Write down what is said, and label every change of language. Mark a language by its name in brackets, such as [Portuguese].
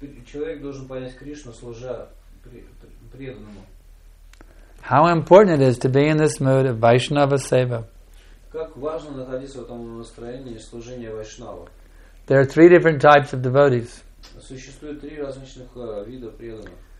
[Russian] Человек должен понять Кришну, служа преданному. [English] How important it is to be in this mood of Vaishnava seva. [Russian] Как важно находиться в этом настроении служения Вайшнава. [English] There are three different types of devotees. [Russian] Существует три различных вида преданных.